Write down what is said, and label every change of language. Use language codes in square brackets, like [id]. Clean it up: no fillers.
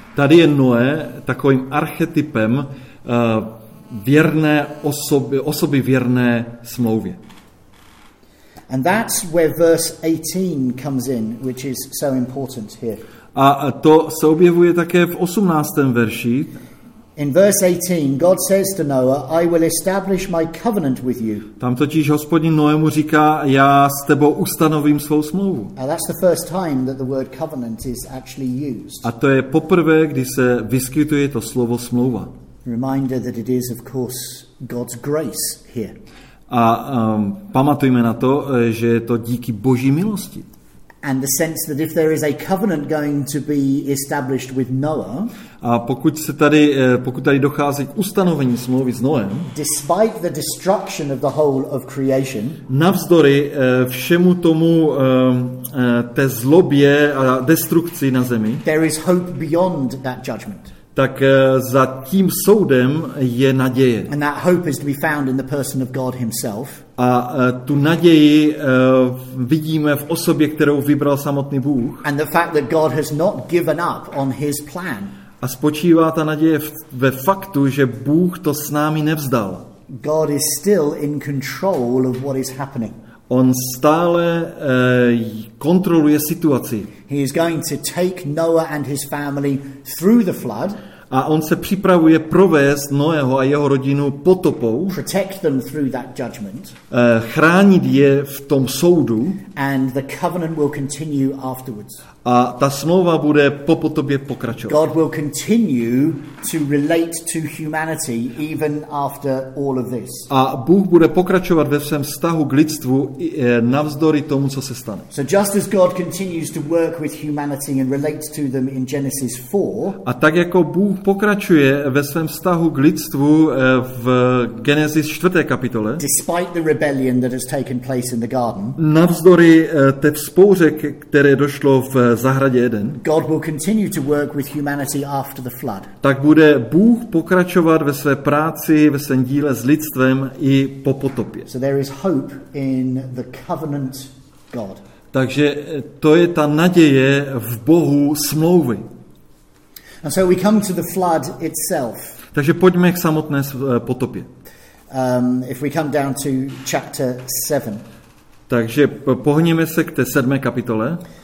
[cs] Tady je Noé takovým archetypem věrné osoby věrné smlouvě. [en] And that's where verse 18 comes in, which is so important here. [cs] A to se objevuje také v 18. verši. [en] In verse 18, God says to Noah, I will establish my covenant with you. [cs] Tam totiž Hospodin Noému říká, já s tebou ustanovím svou smlouvu. [en] And that's the first time that the word covenant is actually used. [cs] A to je poprvé, kdy se vyskytuje to slovo smlouva. [en] Reminder that it is of course God's grace here. [cs] A pamatujme na to, že je to díky Boží milosti. [en] And the sense that if there is a covenant going to be established with Noah, [cs] a pokud tady dochází k ustanovení smlouvy s Noem, [en] despite the destruction of the whole of creation, [cs] navzdory všemu tomu té zlobě a destrukci na zemi, [en] there is hope beyond that judgment. [cs] Tak za tím soudem je naděje. [en] And that hope is to be found in the person of God himself. [cs] A tu naději vidíme v osobě, kterou vybral samotný Bůh. [en] And the fact that God has not given up on his plan. [cs] A spočívá ta naděje ve faktu, že Bůh to s námi nevzdal. [en] God is still in control of what is happening. [cs] On stále kontroluje situaci. [en] He is going to take Noah and his family through the flood. [cs] A on se připravuje provést Noého a jeho rodinu potopou. [en] Protect them through that judgment. [cs] Chránit je v tom soudu. [en] And the covenant will continue afterwards. [cs] A ta smlouva bude po potopě pokračovat. [en] God will continue to relate to humanity even after all of this. [cs] A Bůh bude pokračovat ve svém vztahu k lidstvu navzdory tomu, co se stane. [en] So just as God continues to work with humanity and relates to them in Genesis 4. [cs] A tak jako Bůh pokračuje ve svém vztahu k lidstvu v Genesis 4. kapitole. [en] Despite the rebellion that has taken place in the garden. [cs] Navzdory té vzpouře, které došlo v zahradě Eden. [en] God will continue to work with humanity after the flood. [cs] Tak bude Bůh pokračovat ve své práci, ve svém díle s lidstvem i po potopě. [en] So there is hope in the covenant God. [cs] Takže to je ta naděje v Bohu smlouvy. [en] And so we come to the flood itself. [cs] Takže pojďme k samotné potopě. [en] If we come down to chapter 7. [cs] Takže pohněme se k té 7. kapitole.